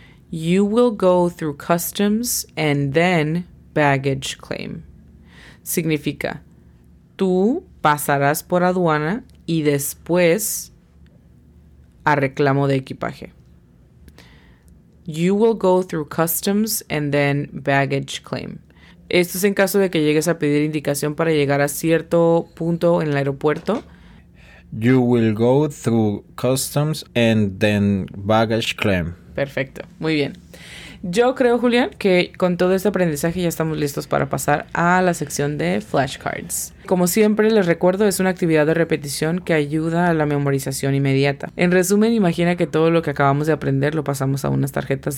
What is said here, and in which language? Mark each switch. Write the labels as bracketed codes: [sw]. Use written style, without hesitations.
[en] You will go through customs and then baggage claim. [es] Significa, tú pasarás por aduana y después a reclamo de equipaje. [en] You will go through customs and then baggage claim. [es] Esto es en caso de que llegues a pedir indicación para llegar a cierto punto en el aeropuerto. [en] You will go through customs and then baggage claim. [es] Perfecto, muy bien. Yo creo, Julián, que con todo este aprendizaje ya estamos listos para pasar a la sección de flashcards. Como siempre, les recuerdo, es una actividad de repetición que ayuda a la memorización inmediata. En resumen, imagina que todo lo que acabamos de aprender lo pasamos a unas tarjetas.